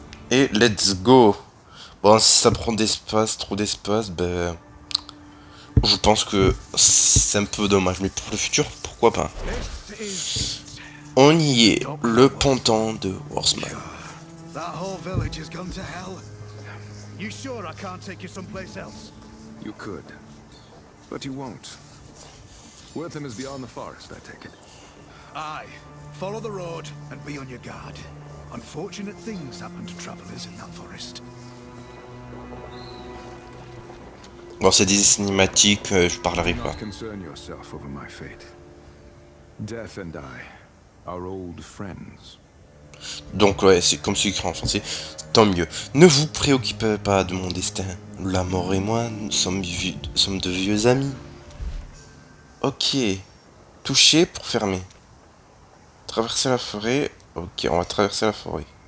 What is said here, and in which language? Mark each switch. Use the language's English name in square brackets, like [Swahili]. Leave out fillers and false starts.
[French] Et [English] let's go. [French] Bon, si ça prend d'espace, trop d'espace, ben je pense que c'est un peu dommage, mais pour le futur, pourquoi pas. On y est, le pantan de Worsman. [English] That whole village has gone to hell. You sure I can't take you someplace else? You could. But you won't. Wortham is beyond the forest, I take it. Aye. Follow the road and be on your guard. Unfortunate things happen to travelers in that forest. [French] Bon, c'est des cinématiques, je parlerai pas. [English] Concern yourself over my fate. Death and I are old friends. [French] Donc ouais, c'est comme si c'est écrit en français. Tant mieux. Ne vous préoccupez pas de mon destin. La mort et moi, nous sommes de vieux amis. Ok. Toucher pour fermer. Traverser la forêt. Ok, on va traverser la forêt.